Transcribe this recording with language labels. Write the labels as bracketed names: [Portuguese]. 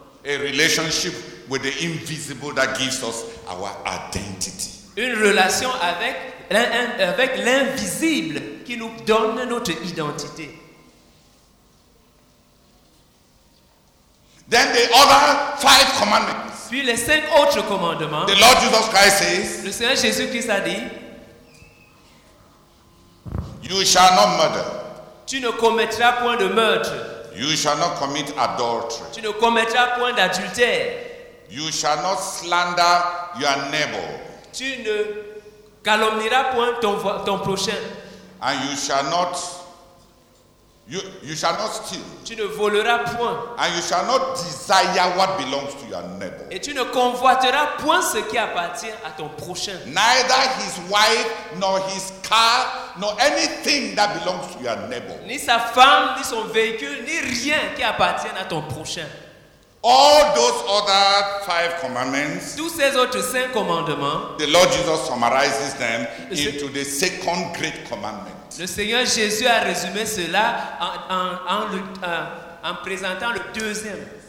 [English] A relationship with the invisible that gives us our identity. [French] Une relation avec l'invisible qui nous donne notre identité. [English] Then the other five commandments. [French] Puis les cinq autres commandements. [English] The Lord Jesus Christ says. [French] Le Seigneur Jésus-Christ a dit. [English] You shall not murder. [French] Tu ne commettras point de meurtre. [English] You shall not commit adultery. [French] Tu ne commettras point d'adultère. [English] You shall not slander your neighbor. [French] Tu ne calomnieras point ton prochain. [English] And you shall not steal. [French] Tu ne voleras point. [English] And you shall not desire what belongs to your neighbor. [French] Et tu ne convoiteras point ce qui appartient à ton prochain. [English] Neither his wife, nor his car, nor anything that belongs to your neighbor. [French] Ni sa femme, ni son véhicule, ni rien qui appartient à ton prochain. [English] All those other five commandments, [French] tous ces autres cinq commandements, [English] the Lord Jesus summarizes them into the second great commandment. [French] Le Seigneur Jésus a résumé cela en présentant le deuxième.